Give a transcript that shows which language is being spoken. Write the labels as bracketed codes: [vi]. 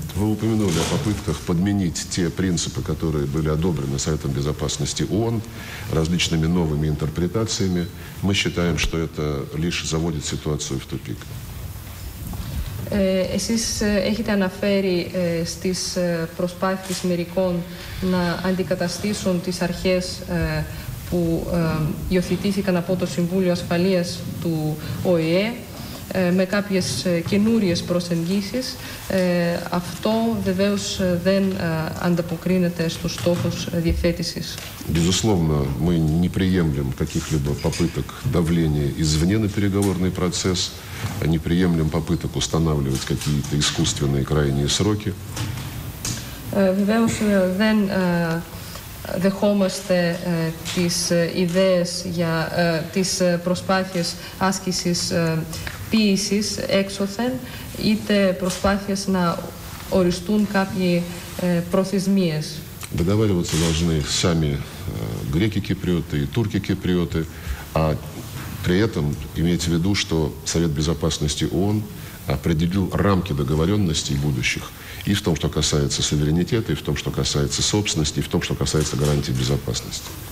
[ru] Вы упомянули о попытках подменить те принципы, которые были одобрены Советом Безопасности ООН, различными новыми интерпретациями. Мы считаем, что это лишь заводит ситуацию в тупик. [el] Εσείς έχετε αναφέρει στις προσπάθειες μερικών να αντικαταστήσουν τις αρχές που υιοθετήθηκαν από το Συμβούλιο Ασφαλείας του ΟΗΕ με κάποιες καινούριες προσεγγίσεις. Αυτό βεβαίως δεν ανταποκρίνεται στους στόχους διευθέτησης. [ru] Безусловно, мы не приемлем каких-либо попыток давления извне на переговорный процесс, не приемлем попыток устанавливать какие-то искусственные крайние сроки. [el] Βεβαίως δεν δεχόμαστε τις ιδέες για τις προσπάθειες άσκησης πίεσης έξωθεν, είτε προσπάθειες να οριστούν κάποιοι προθεσμίες. [ru] Договариваться должны сами греки-киприоты и турки-киприоты, а при этом имейте в виду, что Совет Безопасности ООН определил рамки договоренностей будущих и в том, что касается суверенитета, и в том, что касается собственности, и в том, что касается гарантии безопасности.